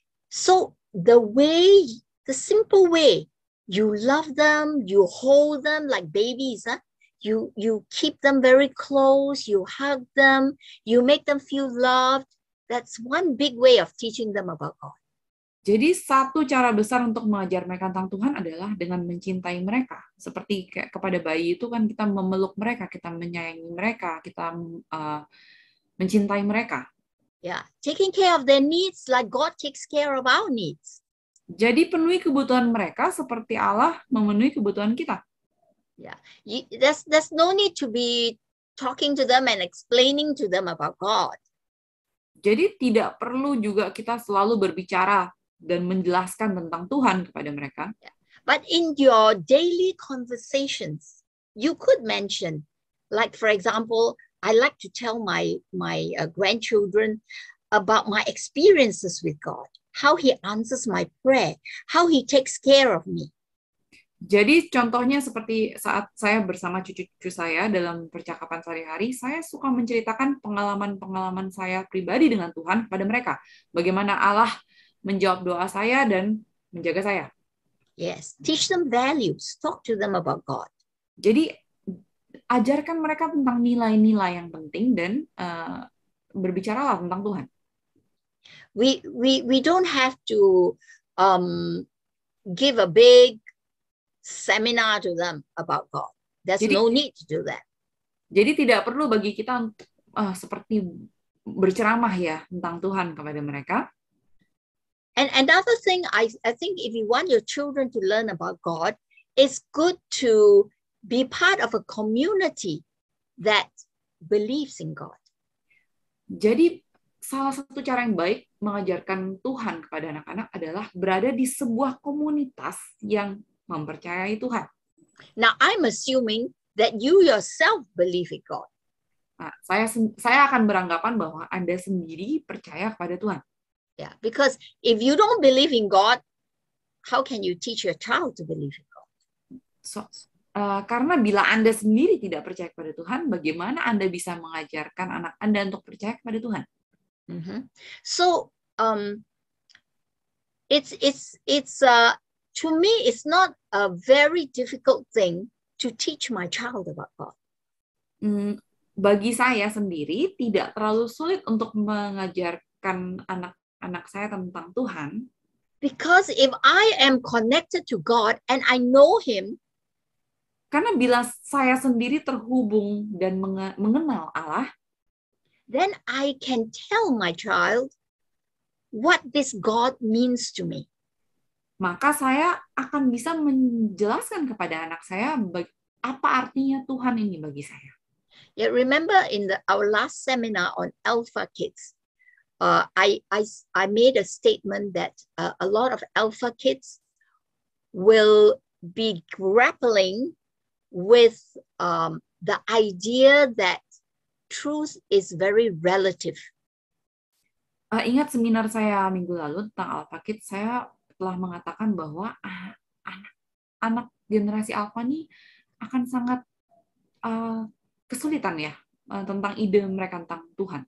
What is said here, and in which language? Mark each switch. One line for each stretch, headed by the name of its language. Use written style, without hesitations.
English: So the way, the simple way, you love them, you hold them like babies, huh? You keep them very close, you hug them, you make them feel loved. That's one big way of teaching them about God.
Indonesian: Jadi satu cara besar untuk mengajar mereka tentang Tuhan adalah dengan mencintai mereka. Seperti kayak kepada bayi itu kan kita memeluk mereka, kita menyayangi mereka, kita mencintai mereka.
English: Yeah, taking care of their needs like God takes care of our needs.
Indonesian: Jadi penuhi kebutuhan mereka seperti Allah memenuhi kebutuhan kita.
English: Yeah, there's no need to be talking to them and explaining to them about God.
Indonesian: Jadi tidak perlu juga kita selalu berbicara dan menjelaskan tentang Tuhan kepada mereka.
English: Yeah. But in your daily conversations, you could mention, like for example, I like to tell my grandchildren about my experiences with God, how he answers my prayer, how he takes care of me.
Indonesian: Jadi contohnya seperti saat saya bersama cucu-cucu saya dalam percakapan sehari-hari, saya suka menceritakan pengalaman-pengalaman saya pribadi dengan Tuhan kepada mereka. Bagaimana Allah menjawab doa saya dan menjaga saya.
English: Yes, teach them values. Talk to them about God.
Indonesian: Jadi ajarkan mereka tentang nilai-nilai yang penting dan berbicaralah tentang Tuhan.
English: We don't have to give a big seminar to them about God. There's no need to do that.
Indonesian: Jadi tidak perlu bagi kita seperti berceramah ya tentang Tuhan kepada mereka.
English: And another thing, I think if you want your children to learn about God, it's good to be part of a community that believes in God.
Indonesian: Jadi salah satu cara yang baik mengajarkan Tuhan kepada anak-anak adalah berada di sebuah komunitas yang mempercayai Tuhan.
English: Now I'm assuming that you yourself believe in God.
Indonesian: Nah, saya akan beranggapan bahwa Anda sendiri percaya kepada Tuhan.
English: Yeah, because if you don't believe in God, how can you teach your child to believe in God?
Indonesian: Karena bila Anda sendiri tidak percaya kepada Tuhan, bagaimana Anda bisa mengajarkan anak Anda untuk percaya kepada Tuhan? Mm-hmm.
English: So, to me, it's not a very difficult thing to teach my child about God.
Indonesian: Bagi saya sendiri, tidak terlalu sulit untuk mengajarkan anak-anak saya tentang Tuhan.
English: Because if I am connected to God and I know him,
Indonesian: karena bila saya sendiri terhubung dan mengenal Allah,
English: then I can tell my child what this God means to me.
Indonesian: Maka saya akan bisa menjelaskan kepada anak saya apa artinya Tuhan ini bagi saya.
English: Yeah, remember in our last seminar on Alpha Kids, I made a statement that a lot of Alpha Kids will be grappling with the idea that truth is very relative.
Indonesian: Ingat seminar saya minggu lalu tentang Alpha Kids, saya telah mengatakan bahwa anak generasi Alpha ini akan sangat kesulitan ya tentang ide mereka tentang Tuhan.